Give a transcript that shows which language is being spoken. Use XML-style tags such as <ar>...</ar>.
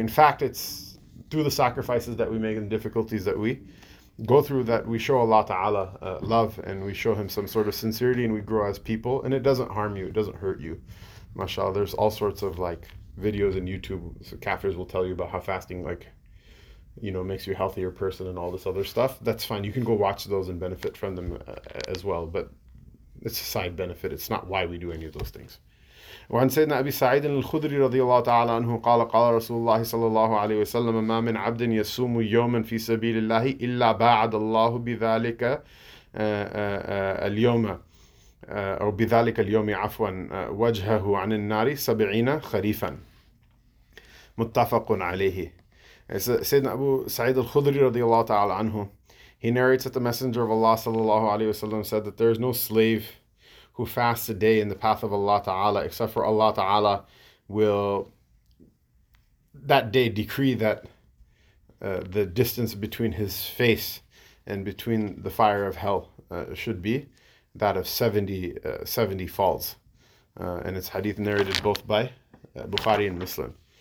<en>In fact, it's through the sacrifices that we make and difficulties that we go through that we show Allah Ta'ala love, and we show Him some sort of sincerity, and we grow as people, and it doesn't harm you. It doesn't hurt you. MashaAllah, there's all sorts of like videos on YouTube. So kafirs will tell you about how fasting like, you know, makes you a healthier person and all this other stuff. That's fine. You can go watch those and benefit from them as well. But it's a side benefit. It's not why we do any of those things.</en> <ar>وعن سيدنا أبي سعيد الخدري رضي الله تعالى عنه قال قال رسول الله صلى الله عليه وسلم ما من عبد يصوم يوما في سبيل الله إلا بعد الله بذلك اليوم أو بذلك اليوم عفوا وجهه عن النار 70 خريفا متفق عليه. سيدنا أبو سعيد الخدري رضي الله تعالى عنه,</ar> <en>he narrates that the messenger of Allah صلى الله عليه وسلم said that there is no slave who fasts a day in the path of Allah Ta'ala, except for Allah Ta'ala will that day decree that the distance between his face and between the fire of hell should be that of 70 falls. And it's hadith narrated both by Bukhari and Muslim.</en>